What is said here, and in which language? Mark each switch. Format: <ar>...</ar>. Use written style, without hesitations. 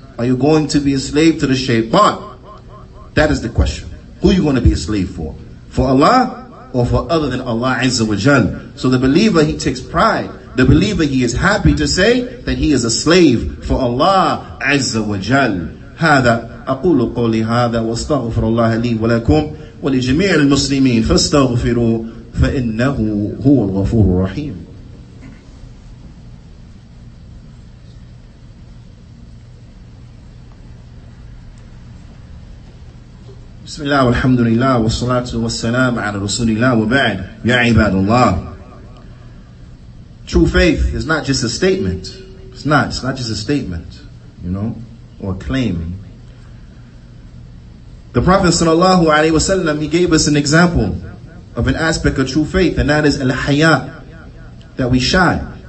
<en>Are you going to be a slave to the shaytan? That is the question. Who are you going to be a slave for? For Allah or for other than Allah Azza wa Jal. So the believer, he takes pride. The believer, he is happy to say that he is a slave for Allah Azza wa Jal.</en> <ar>هذا أقول قولي هذا واستغفر الله لي ولكم ولجميع المسلمين فاستغفروا فإنه هو الغفور الرحيم. بسم الله والحمد لله والصلاة والسلام على رسول الله وبعد يا عباد الله.</ar> <en>True faith is not just a statement. It's not just a statement, you know, or a claim. The Prophet sallallahu alaihi wasallam, he gave us an example of an aspect of true faith, and that is al-haya, that we shine.</en>